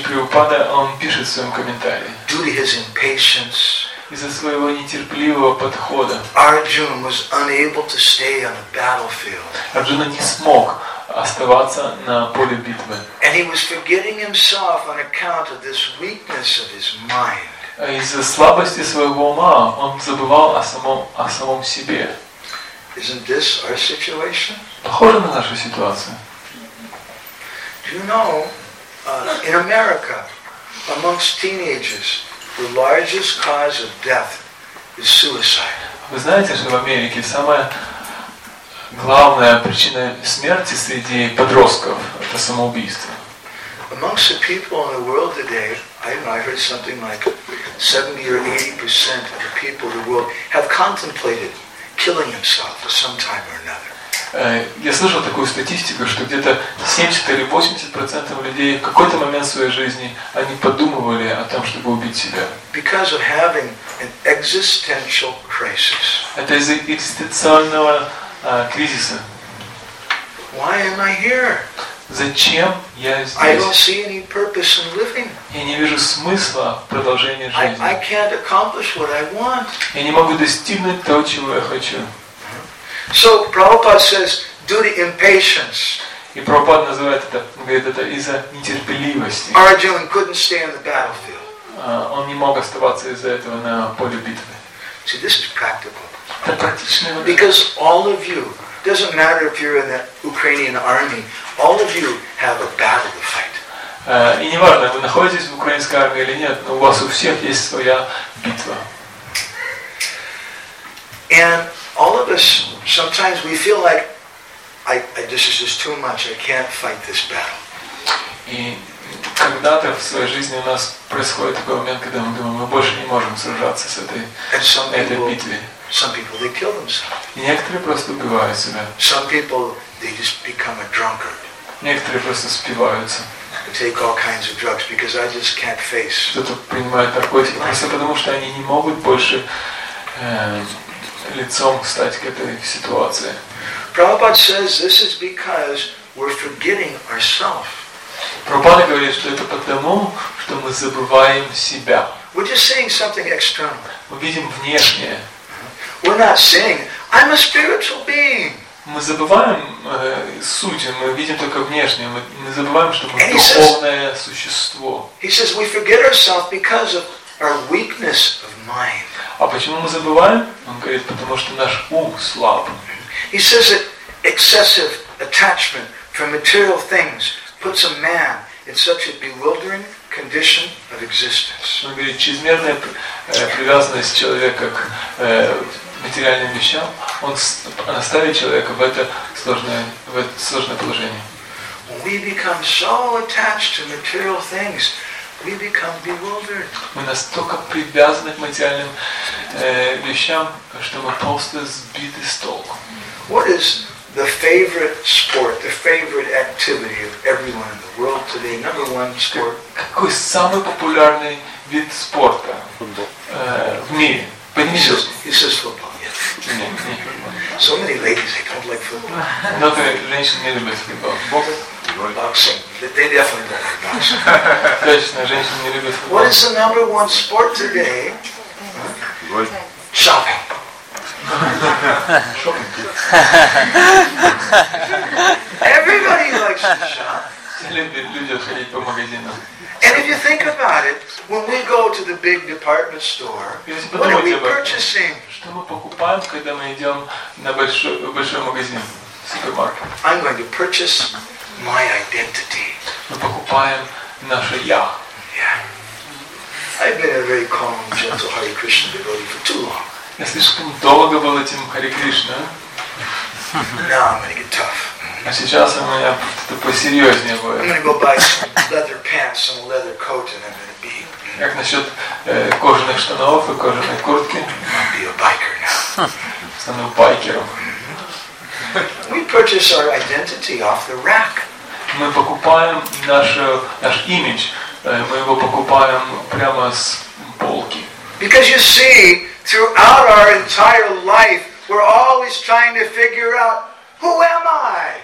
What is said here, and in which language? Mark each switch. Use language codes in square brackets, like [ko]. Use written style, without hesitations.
[ru] И Прабхупада, он пишет в своем комментарии. [en] Due to his impatience. [ru] Из-за своего нетерпеливого подхода. [en] Arjuna was unable to stay on the battlefield. [ru] Арджуна не смог оставаться на поле битвы. [en] And he was forgetting himself on account of this weakness of his mind. [ru] Из-за слабости своего ума он забывал о самом себе. [en] Isn't this our situation? [ru] Похоже на нашу ситуацию. [en] Do you know, in America, amongst teenagers, the largest cause of death is suicide. [ru] Вы знаете, что в Америке самая главная причина смерти среди подростков – это самоубийство. [en] Amongst the people in the world today, I heard something like 70 or 80% of the people in the world have contemplated killing themselves at some time or another. [ru] Я слышал такую статистику, что где-то 70 или 80% людей в какой-то момент своей жизни они подумывали о том, чтобы убить себя. [en] Because of having an existential crisis. [ru] Это из-за экзистенциального кризиса. [en] Why am I here? [ru] Зачем я здесь? [en] I don't see any purpose in living. [ru] Я не вижу смысла в продолжении жизни. [en] I can't accomplish what I want. [ru] Я не могу достигнуть того, чего я хочу. [en] So Prabhupada says, due to impatience. [ru] И Прабхупада называет это, говорит, это из-за нетерпеливости. [en] Arjuna couldn't stay on the battlefield. [ru] Он не мог оставаться из-за этого на поле битвы. [en] See, this is practical. Because all of you, doesn't matter if you're in the Ukrainian army, all of you have a battle to fight. [ru] И не важно, вы находитесь в украинской армии или нет, но у вас у всех есть своя битва. [en] And all of us, sometimes we feel like, this is just too much, I can't fight this battle. [ru] И когда-то в своей жизни у нас происходит такой момент, когда мы думаем, мы больше не можем сражаться с этой битвой. [en] Some people they kill themselves. [ru] Некоторые просто убивают себя. [en] Some people they just become a drunkard. [ru] Некоторые просто спиваются. [en] They take all kinds of drugs because I just can't face. [ru] Кто-то принимает наркотики просто потому что они не могут больше лицом стать к этой ситуации. [en] Prabhupada says this is because we're forgetting ourselves. [ru] Прабхупада говорит, что это потому что мы забываем себя. [en] We're just seeing something external. [ru] Мы видим внешнее. [en] We're not saying, I'm a spiritual being. [ru] Мы забываем суть, мы видим только внешнее, мы забываем, что мы духовное существо. [en] He says, we forget ourselves because of our weakness of mind. [ru] А почему мы забываем? Он говорит, потому что наш ум слаб. [en] He says that excessive attachment for material things puts a man in such a bewildering condition of existence? [ru] Он говорит, чрезмерная привязанность человека к материальным вещам, он ставит человека в это сложное положение. [en] When we become so attached to material things, we become bewildered. [ru] Мы настолько привязаны к материальным вещам, что мы просто сбиты с толку. [en] What is the favorite sport, the favorite activity of everyone in the world today? Number one sport. [ru] Какой самый популярный вид спорта в мире? [en] He says football. Yes. So many ladies, they don't like football. Not [ru] женщины не любят футбол. [en] Boxing. They definitely don't like boxing. [ru] Точно, женщины не любят футбол. [en] What is the number one sport today? Shopping. Everybody likes to shop. And if you think about it, when we go to the big department store, what are we purchasing? [ru] Что мы покупаем, когда мы идем на большой магазин, супермаркет? [en] I'm going to purchase my identity. [ru] Мы покупаем наше я. [en] Yeah. I've been a very calm, gentle Hare Krishna devotee for too long. [ru] Я слишком долго был этим Харе Кришна. [en] Now I'm gonna get tough. [ru] А сейчас у меня что-то посерьезнее будет. [en] I'm gonna go buy some leather pants and a leather coat and I'm gonna be. [ru] Как насчет кожаных штанов и кожаной куртки? [en] I'm gonna be a biker now. [ru] Стану байкером. [en] We purchase our identity off the rack. [ru] Мы покупаем наш имидж. Мы его покупаем прямо с полки. [en] Because you see, throughout our entire life, we're always trying to figure out who am I.